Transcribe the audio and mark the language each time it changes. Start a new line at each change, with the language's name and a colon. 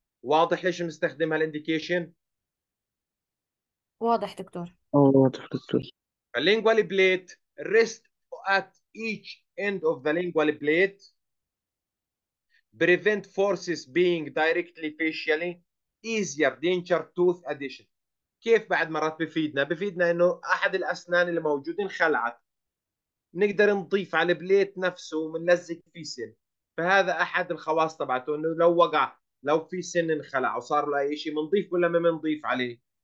Arabic: واضح ليش نستخدم هالانديكيشن؟ واضح دكتور. واضح دكتور.
English: A lingual plate rest at each end of the lingual plate prevent forces being directly facially easier denture tooth addition.
Arabic: كيف بعد مرات بفيدنا؟ بفيدنا انه احد الاسنان اللي موجود انخلعت، نقدر نضيف على البليت نفسه ونلزق في سن، فهذا احد الخواص تبعته، انه لو وقع، لو في سن انخلع وصار له اي شيء بنضيف ولا ما بنضيف عليه؟